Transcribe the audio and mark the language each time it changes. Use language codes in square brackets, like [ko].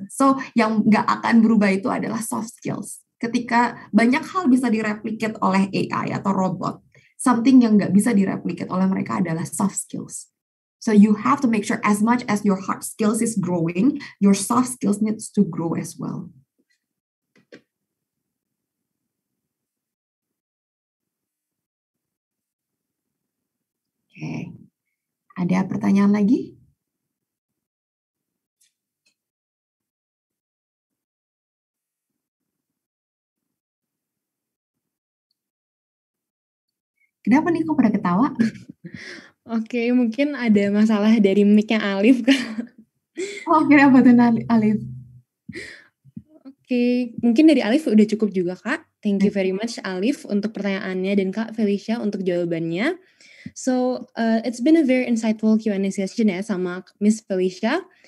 [id] So yang nggak akan berubah itu adalah soft skills. Ketika banyak hal bisa direplikat oleh AI atau robot, something yang nggak bisa direplikat oleh mereka adalah soft skills. [en] So you have to make sure as much as your hard skills is growing, your soft skills needs to grow as well. [id] Oke, ada pertanyaan lagi? Kenapa nih kok pada ketawa? Oke, mungkin ada masalah dari mic-nya Alif. Oh, kenapa tuh Alif? Oke, mungkin dari Alif udah cukup juga, Kak. [en] Thank you very much, [id] Alif, untuk pertanyaannya dan Kak Felicia untuk jawabannya. [en] So, it's been a very insightful Q&A session ya sama Miss Felicia.